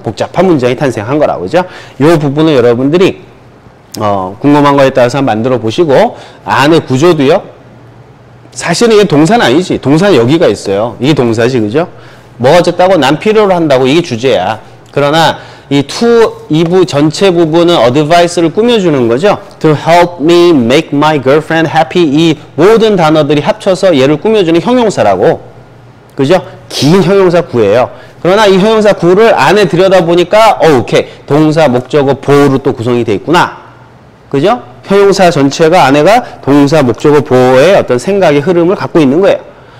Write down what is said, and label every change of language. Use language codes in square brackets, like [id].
[ko] 복잡한 문장이 탄생한 거라고, 그죠? 요 부분을 여러분들이, 궁금한 거에 따라서 한번 만들어 보시고, 안의 구조도요. 사실은 이게 동사는 아니지. 동사는 여기가 있어요. 이게 동사지, 그죠? 뭐가 어쨌다고? 난 필요로 한다고. 이게 주제야. 그러나, 이 2부 전체 부분은 어드바이스를 꾸며주는 거죠. [en] To help me make my girlfriend happy. [ko] 이 모든 단어들이 합쳐서 얘를 꾸며주는 형용사라고. 그죠? 긴 형용사 구예요. 그러나 이 형용사 구를 안에 들여다보니까, 오케이. 동사, 목적어, 보호로 또 구성이 되어 있구나. 그죠? 형용사 전체가 안에가 동사, 목적어, 보호의 어떤 생각의 흐름을 갖고 있는 거예요.